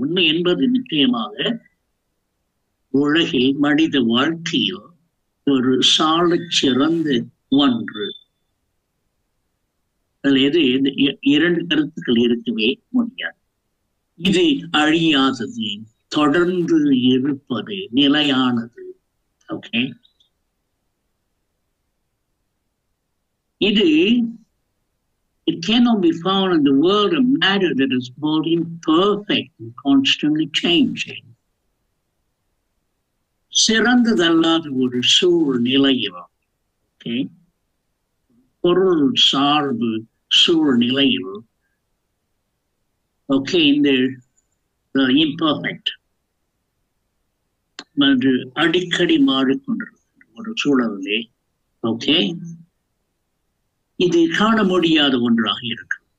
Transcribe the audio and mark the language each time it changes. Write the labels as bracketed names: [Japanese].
[Tamil] உண்மை என்பது நிச்சயமாக உலகில் மனித வாழ்க்கையில் ஒரு சாலச்சிறந்து ஒன்று. அதாவது இந்த இரண்டு கருத்துக்கள் இருக்கவே முடியாது. இது அழியாதது, தொடர்ந்து இருப்பது, நிலையானது. [English] okay, [Tamil] இது [English] it cannot be found in the world of matter that is both imperfect and constantly changing. [Tamil] சிறந்ததல்லாத ஒரு சூழ்நிலையில், ஓகே, பொருள் சார்பு சூழ்நிலையில், ஓகே, இந்த இம்பர்ஃபெக்ட் அடிக்கடி மாறிக்கொண்டிருக்கிற ஒரு சூழலே, ஓகே, இது காண முடியாத ஒன்றாக இருக்கு.